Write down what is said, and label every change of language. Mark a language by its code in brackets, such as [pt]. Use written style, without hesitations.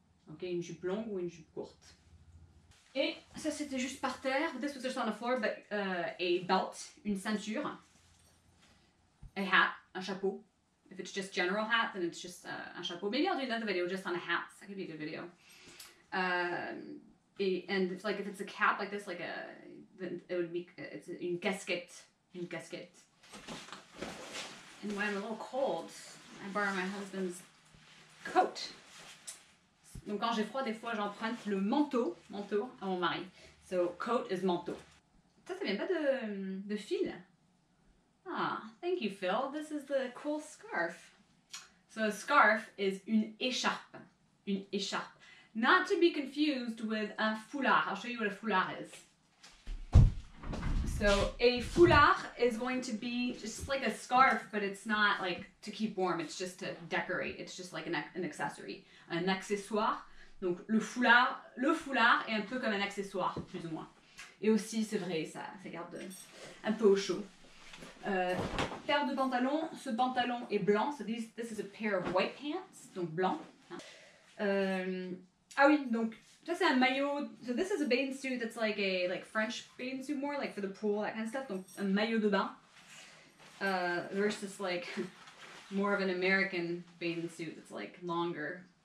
[fr] Ok, une jupe longue ou une jupe courte. Et ça, c'était juste par terre. [en] This was just on the floor, but a belt, une ceinture. A hat, un chapeau. If it's just general hat, then it's just un chapeau. Maybe I'll do another video just on a hat. That could be a good video. And it's like if it's a cap like this, like a, then it would be, it's une casquette. Une casquette. And when I'm a little cold, I borrow my husband's coat. [fr] Donc quand j'ai froid, des fois j'emprunte le manteau à mon mari. [en] So, coat is manteau. [fr] Ça, ça vient pas de fil. [en] Ah, thank you, Phil. This is the cool scarf. So, a scarf is une écharpe. Une écharpe. Not to be confused with un foulard. I'll show you what a foulard is. So, a foulard is going to be just like a scarf, but it's not like to keep warm. It's just to decorate. It's just like an accessory. Un accessoire. [fr] Donc, le foulard est un peu comme un accessoire, plus ou moins. Et aussi, c'est vrai, ça garde un peu au chaud. Paire de pantalons. Ce pantalon est blanc. [en] So, this is a pair of white pants. [fr] Donc, blanc. Ah oui, donc... Ça, c'est un maillot. [en] So this is a bathing suit that's like a like French bathing suit more, like for the pool, that kind of stuff. [fr] Donc, un maillot de bain. [en] Versus like more of an American bathing suit that's like longer.